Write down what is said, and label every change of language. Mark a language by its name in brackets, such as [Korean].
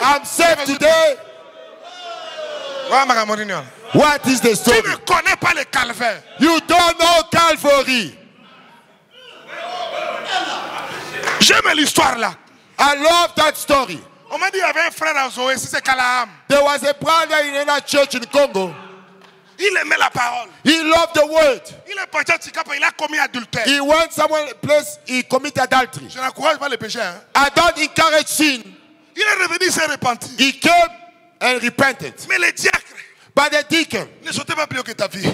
[English] I'm saved today. What is the story? [French] Tu ne connais pas le calvaire. [English] You don't know Calvary. [French] J'aime l'histoire là. [English] I love that story. [French] On m'a dit il y avait un frère à Zoé, c'est Calaham. [English] There was a brother in another church in Congo. [French] Il aimait la parole. [English] He loved the word. [French] Il est parti à Tshikapa, il a commis adultère. [English] He went somewhere place, he committed adultery. [French] Je n'encourage pas les péchés. Hein? [English] I don't encourage sin. [French] Il est revenu, s'est repenti. [English] He came and repented. [French] Mais les diacres. [English] But the deacon. [French] Ne sautez pas plus haut que ta vie.